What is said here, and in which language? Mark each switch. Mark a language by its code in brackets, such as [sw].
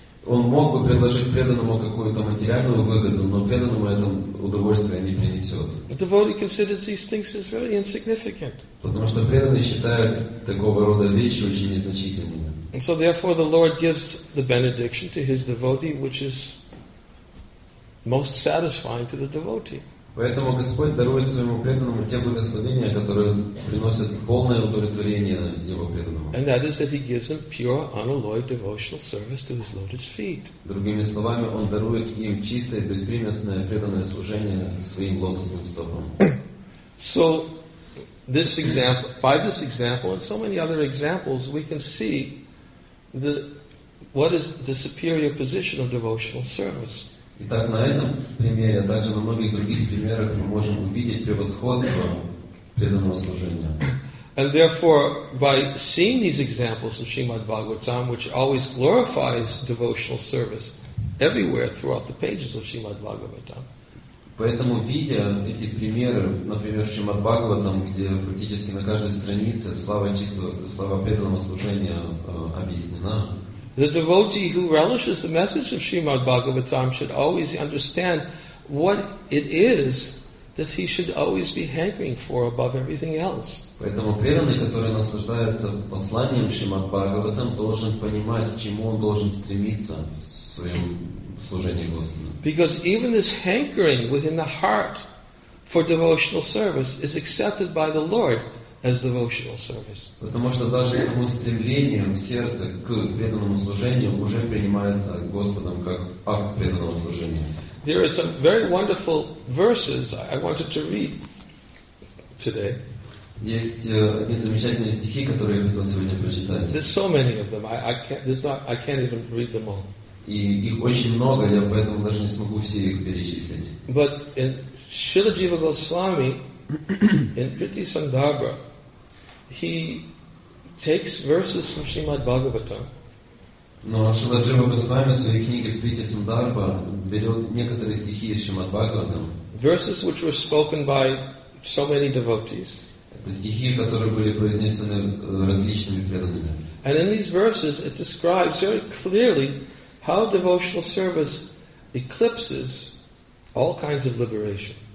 [ru] Он мог бы предложить преданному какую-то материальную выгоду, но преданному это удовольствие не принесет. [en] The devotee considers these things as very insignificant. [ru] Потому что преданный считает такого рода вещи очень незначительными. [en] And so therefore the Lord gives the benediction to his devotee, which is most satisfying to the devotee. [ru] Поэтому Господь дарует своему преданному те благословения, которые приносят полное удовлетворение его преданному. [en] And that is that he gives him pure, unalloyed devotional service to his lotus feet. [ru] Другими словами, он дарует им чистое, беспримесное преданное служение своим лотосным стопам. [en] So this example, by this example and so many other examples, we can see what is the superior position of devotional service. [ru] Итак, на этом примере, а также на многих других примерах, мы можем увидеть превосходство преданного служения. [en] And therefore, by seeing these examples of Srimad Bhagavatam, which always glorifies devotional service everywhere throughout the pages of Srimad Bhagavatam. [ru] Поэтому, видя эти примеры, например, в Шримад Бхагаватам, где практически на каждой странице слава чистого, слава преданного служения объяснена, [en] the devotee who relishes the message of Srimad Bhagavatam should always understand what it is that he should always be hankering for above everything else. [ru] Поэтому преданный, который наслаждается посланием Шримад Бхагаватам, должен понимать, к чему он должен стремиться в своем служении Господу. [en] Because even this hankering within the heart for devotional service is accepted by the Lord as devotional service. [ru] Потому что даже само стремление в сердце к преданному служению уже принимается Господом как акт преданного служения. [en] There are some very wonderful verses I wanted to read today. [ru] Есть одни замечательные стихи, которые я хотел сегодня прочитать. [en] There's so many of them. I can't even read them all. [ru] И их очень много, я поэтому даже не смогу все их перечислить. [en] But in Śrīla Jīva Gosvāmī, in Priti Sandarbha, he takes verses from Śrīmad Bhāgavatam. [ru] Но Śrīla Jīva Gosvāmī в своей книге Priti Sandarbha берет некоторые стихи из Śrīmad Bhāgavatam. [en] Verses which were spoken by so many devotees. [ru] Это стихи, которые были произнесены различными преданными. [en] And in these verses, it describes very clearly how devotional service eclipses all kinds of liberation.